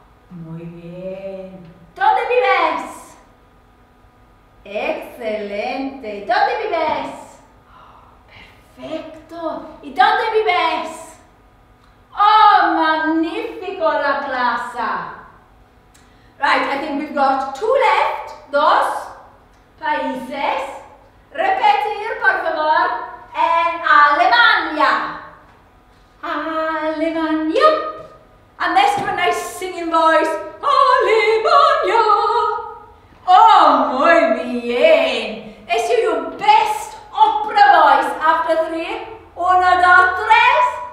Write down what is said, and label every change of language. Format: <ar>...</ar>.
<es>Muy bien. Donde vives? Excelente. Donde vives? Perfecto. Y donde vives? Oh, magnifico la clase.</es> <en>Right, I think we've got two left.</en> <es>Dos países. Repetir, por favor, en Alemania. Alemania.</es> <en>And this for a nice singing voice. Alemania. Oh,</en> <es>muy bien.</es> <en>This is your best opera voice after three.</en> <es>Uno, dos, tres.</es>